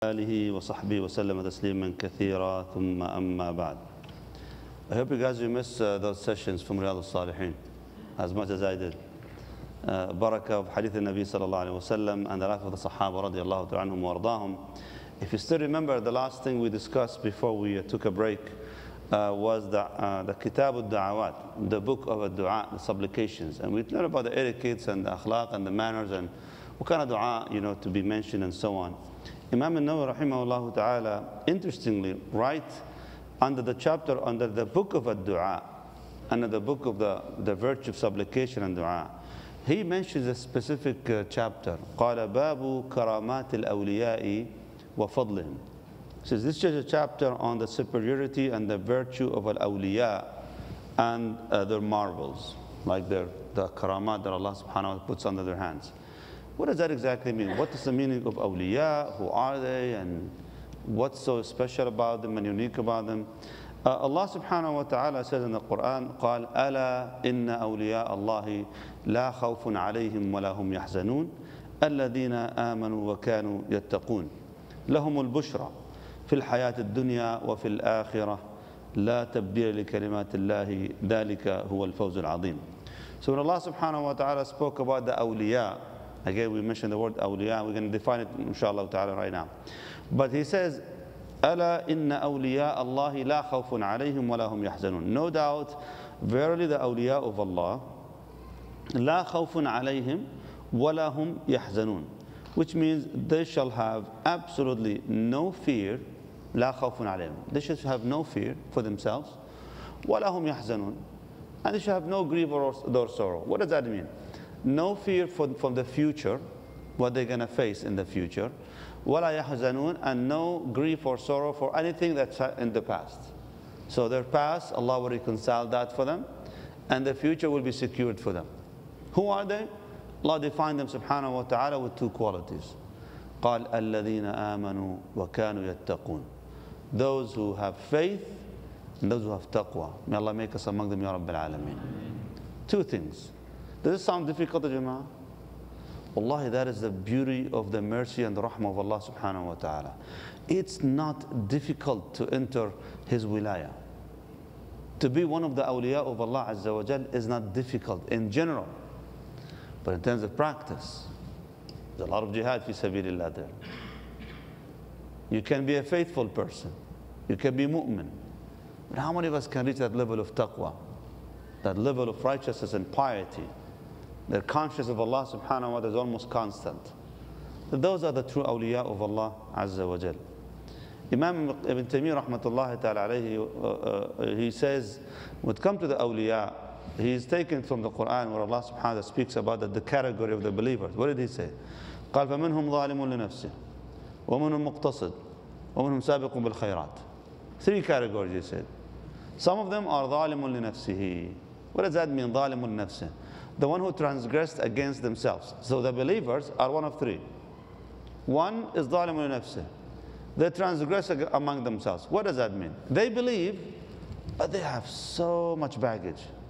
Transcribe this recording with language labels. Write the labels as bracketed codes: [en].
[ar] آله وصحبه وسلم تسليما كثيرا ثم أما بعد. [en] I hope you guys miss those sessions from Riyadh-us-Saliheen as much as I did. Baraka of Hadith Nabi sallallahu alayhi wa sallam and the life of the Sahaba radiallahu ta'ala anhum wa ardahum. If you still remember, the last thing we discussed before we took a break was the Kitab al-Du'awat, the book of a du'a, the supplications. And we learned about the etiquettes and the akhlaq and the manners and what kind of du'a, you know, to be mentioned and so on. Imam al-Nawawi rahimahullah ta'ala, interestingly, right under the chapter, under the book of a du'a, under the book of the virtue of supplication and du'a, he mentions a specific chapter. [ar] قَالَ بَابُ كَرَامَاتِ الْأَوْلِيَاءِ وَفَضْلِهِمْ. [en] Says this is a chapter on the superiority and the virtue of al-awliya and their marvels, like the karamat that Allah subhanahu wa ta'ala puts under their hands. What does that exactly mean? What is the meaning of awliya? Who are they? And what's so special about them and unique about them? Allah subhanahu wa ta'ala says in the Quran, [ar] قال أَلَا إِنَّ أَوْلِيَاءَ اللَّهِ لَا خَوْفٌ عَلَيْهِمْ وَلَا هُمْ يَحْزَنُونَ الَّذِينَ آمَنُوا وَكَانُوا يَتَّقُونَ لَهُمُ الْبُشْرَى في الحياة الدنيا وفي الآخرة لا تبديل لكلمات الله ذلك هو الفوز العظيم. [en] So when Allah subhanahu wa ta'ala spoke about the awliya, again we mentioned the word awliya, we're going to define it inshallah ta'ala right now. But he says, [ar] أَلَا إِنَّ أَوْلِيَاءَ اللَّهِ لَا خَوْفٌ عَلَيْهِمْ وَلَا هُمْ يَحْزَنُونَ. [en] No doubt, verily the awliya of Allah, [ar] لَا خَوْفٌ عَلَيْهِمْ وَلَا هُمْ يَحْزَنُونَ. [en] Which means they shall have absolutely no fear. [ar] لا خوفٌ عليهم. [en] They should have no fear for themselves. [ar] ولاهم يحزنون. [en] And they should have no grief or sorrow. What does that mean? No fear from the future, what they're going to face in the future. [ar] ولا يحزنون. [en] And no grief or sorrow for anything that's in the past. So their past, Allah will reconcile that for them. And the future will be secured for them. Who are they? Allah defined them subhanahu wa ta'ala with two qualities. [ar] قال الذين آمنوا وكانوا يتقون. [en] Those who have faith and those who have taqwa. May Allah make us among them, ya Rabbil Alameen. Two things. Does this sound difficult, Jama'ah? Wallahi, that is the beauty of the mercy and the rahmah of Allah subhanahu wa ta'ala. It's not difficult to enter His wilaya. To be one of the awliya of Allah Azza wa Jal is not difficult in general. But in terms of practice, there's a lot of jihad fi sabilillah there. You can be a faithful person. You can be mu'min. But how many of us can reach that level of taqwa, that level of righteousness and piety? They're conscious of Allah subhanahu wa ta'ala is almost constant. But those are the true awliya of Allah azza wa jal. Imam Ibn Taymiyyah rahmatullahi ta'ala alayhi, he says, when it comes to the awliya, he's taken from the Quran where Allah subhanahu wa ta'ala speaks about the category of the believers. What did he say? [ar] قال فمنهم ظالم لنفسه ومنهم مقتصد ومنهم سابق بالخيرات. [en] Three categories he said. Some of them are [ar] ظالم لنفسه. [en] What does that mean, [ar] ظالم لنفسه? [en] The one who transgressed against themselves. So the believers are one of three. One is [ar] ظالم لنفسه. [en] They transgress among themselves. What does that mean? They believe, but they have so much baggage.